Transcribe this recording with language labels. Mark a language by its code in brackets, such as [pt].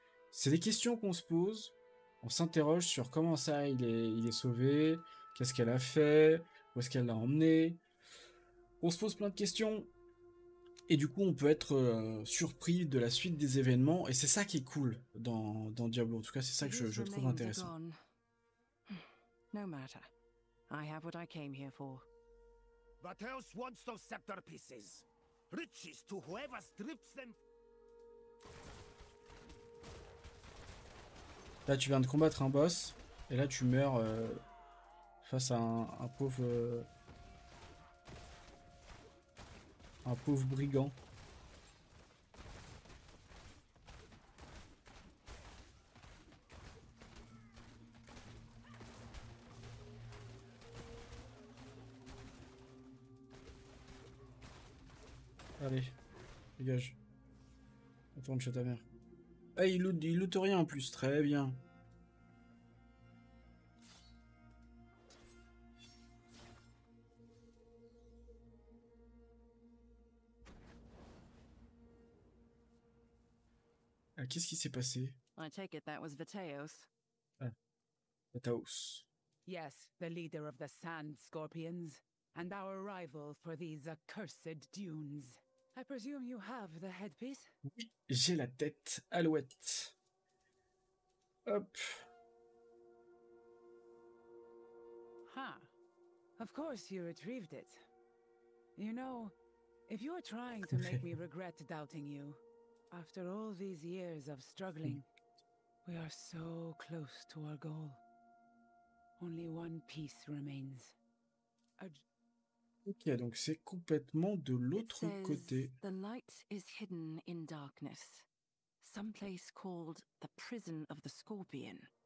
[fr] C'est des questions qu'on se pose. On s'interroge sur comment ça il est sauvé. Qu'est-ce qu'elle a fait? Où est-ce qu'elle l'a emmené? On se pose plein de questions. Et du coup, on peut être surpris de la suite des événements, et c'est ça qui est cool dans Diablo. En tout cas, c'est ça que je trouve intéressant. [en] No matter. I have what I came here for. What else wants those scepter pieces? Riches to whoever strips them. [fr] Là, tu viens de combattre un boss, et là, tu meurs face à un pauvre. Un pauvre brigand. Allez, dégage. Retourne chez ta mère. Hey, il loot rien en plus, très bien. Qu'est-ce qui s'est passé? [en] I take it that was Vataos. Ah. Vataos. Yes, the leader of the Sand Scorpions and our rival for these accursed dunes. I presume you have the headpiece? [fr] Oui, j'ai la tête alouette. Hop. Ha. Huh. [en] Of course you retrieved it. You know, if you're trying to make me regret doubting you, after all these years of struggling, we are so close to our goal. Only one piece remains. [fr] Ok, donc c'est complètement de l'autre côté. [en] The light is hidden in darkness. Some place called the prison of the scorpion.